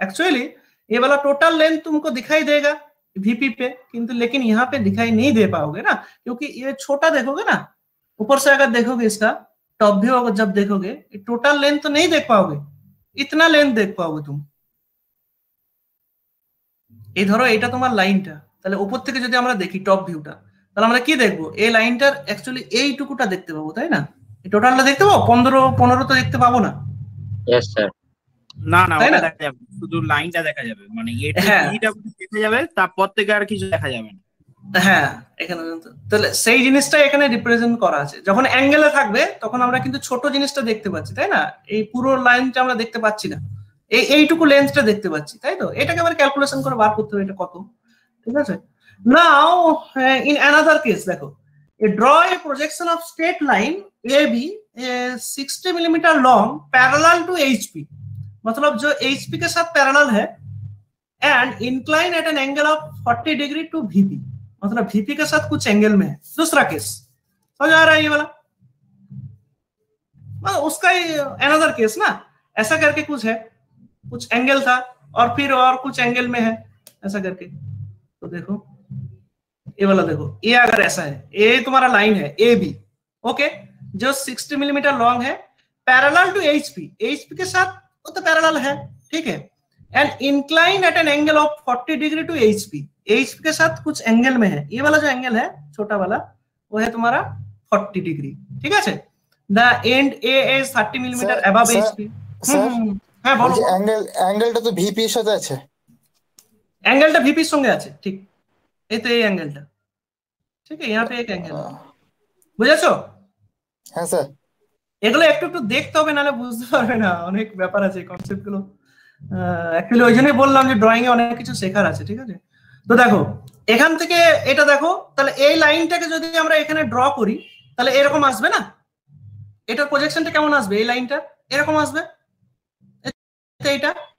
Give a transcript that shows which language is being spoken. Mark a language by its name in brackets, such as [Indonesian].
[Hindi] Actually ये वाला total length तुमको दिखाई देगा वीपी पे, किंतु लेकिन यहाँ पे दिखाई नहीं दे पाओगे ना, क्योंकि ये छोटा देखोगे ना, ऊपर से अगर देखोगे इसका टॉप व्यू अगर जब देखोगे, टोटल लेंथ तो नहीं देख पाओगे, इतना लेंथ देख पाओगे तुम। ये धरो ये तुम्हारा लाइन टा, [Bangla] তাহলে উপর থেকে যদি আমরা দেখি টপ ভিউটা, তাহলে আমরা কি দেখবো, এই লাইনটার অ্যাকচুয়ালি এইটুকুটা দেখতে পাবো, তাই না? এই টোটালটা দেখতে পাবো, 15 তো দেখতে পাবো না। [English] Yes sir, [Bangla] না না ওটা দেখা যাবে, শুধু লাইনটা দেখা যাবে, মানে এইটা দেখা যাবে, তারপর থেকে আর কিছু দেখা যাবে না। হ্যাঁ এখানে পর্যন্ত, তাহলে সেই জিনিসটা এখানে রিপ্রেজেন্ট করা আছে, যখন অ্যাঙ্গেলে থাকবে তখন আমরা কিন্তু ছোট জিনিসটা দেখতে পাচ্ছি, তাই না? এই পুরো লাইনটা আমরা দেখতে পাচ্ছি না, এইটুকু লেন্সটা দেখতে পাচ্ছি, তাই তো? এটাকে আবার ক্যালকুলেশন করে বার করতে হবে এটা কত। [English] Now, in another case, देखो, draw a projection of straight line AB, 60 millimeter long, parallel to HP, [Hindi] मतलब जो HP के साथ parallel है, [English] and incline at an angle of 40 degree to VP, [Hindi] मतलब VP के साथ कुछ angle में है। दूसरा केस समझ आ रहा है, ये वाला मतलब उसका another case ना, ऐसा करके कुछ है, कुछ angle था और फिर और कुछ angle में है, ऐसा करके। तो देखो ये वाला, देखो ये अगर ऐसा है, ये तुम्हारा लाइन है ए बी, ओके, जो 60 मिलीमीटर लॉन्ग है, पैरेलल टू एचपी, एचपी के साथ वो तो पैरेलल है, ठीक है, [English] and incline at an angle of 40 degree to HP, [Hindi] HP के साथ कुछ एंगल में है, ये वाला जो एंगल है छोटा वाला वो है तुम्हारा 40 डिग्री, ठीक है। [English] The end A is 30 millimeter above HP. [Hindi] हां बोलो, एंगल एंगल तो वीपी से है, [Bangla] एंगलটা ভিপি সঙ্গে আছে, ঠিক, এই তো এই एंगलটা, ঠিক আছে, [Hindi] यहां पे एक एंगल, [Bangla] বুঝেছো? হ্যাঁ স্যার, এগুলো একটু একটু দেখতে হবে, নালে বুঝতে পারবে না, অনেক ব্যাপার আছে কনসেপ্ট গুলো। एक्चुअली ওই জন্যই বললাম যে ড্রইং এ অনেক কিছু শেখার আছে, ঠিক আছে। তো দেখো এখান থেকে এটা দেখো, তাহলে এই লাইনটাকে যদি আমরা এখানে ড্র করি তাহলে এরকম আসবে না, এটার প্রজেকশনটা কেমন আসবে, এই লাইনটা এরকম আসবে, এইটা